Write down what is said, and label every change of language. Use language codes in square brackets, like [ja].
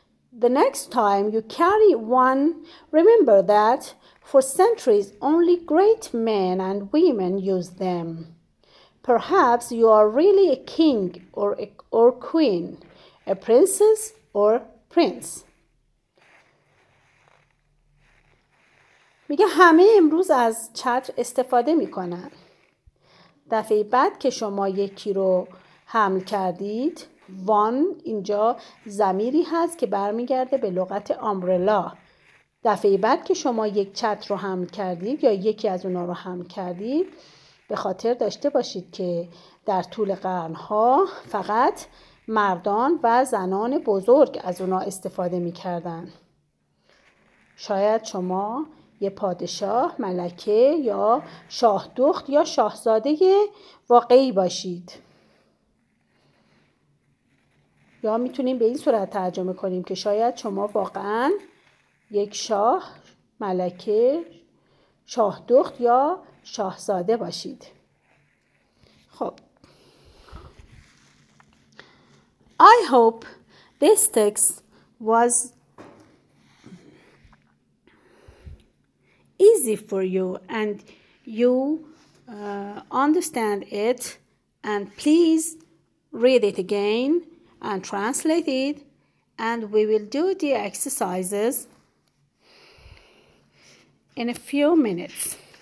[en] The next time you carry one, remember that for centuries only great men and women used them. Perhaps you are really a king or queen, a princess or prince. [fa] میگه همه امروز از چتر استفاده میکنن. دفعه بعد که شما یکی رو حمل کردید، وان اینجا ضمیری هست که برمیگرده به لغت امبرلا. دفعه بعد که شما یک چتر رو حمل کردید یا یکی از اونا رو حمل کردید، به خاطر داشته باشید که در طول قرنها فقط مردان و زنان بزرگ از اونا استفاده میکردن. شاید شما یه پادشاه، ملکه یا شاهدخت یا شاهزاده واقعی باشید. یا میتونیم به این صورت ترجمه کنیم که شاید شما واقعا یک شاه، ملکه، شاهدخت یا شاهزاده باشید. خب. [en] I hope this text was easy for you and you understand it, and please read it again and translate it, and we will do the exercises in a few minutes.